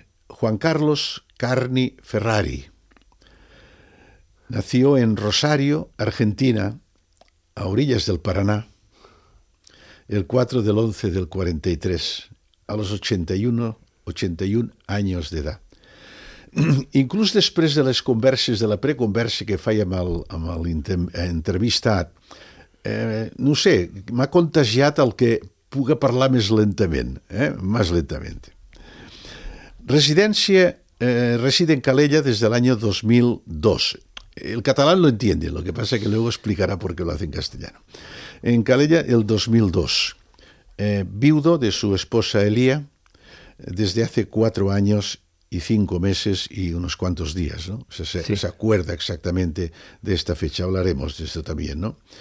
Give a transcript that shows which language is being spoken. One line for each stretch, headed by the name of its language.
Spanish: Juan Carlos Carni Ferrari nació en Rosario, Argentina, a orillas del Paraná, el 4 del 11 del 43, a los 81 años de edad.
Catalan: Inclús després de les converses, de la preconversa que feia amb l'entrevistat, no sé, m'ha contagiat el que puga parlar més lentament, més lentament. Residència,
Spanish: reside en Calella
Catalan: des de l'any 2002.
Spanish: El català lo entiende, lo que pasa que luego explicará por qué lo hace en castellano. En Calella, el 2002. Viudo de su esposa Elía, desde hace 4 años y 5 meses y unos cuantos días, ¿no? Se acuerda exactamente de esta fecha, hablaremos de esto también, ¿no?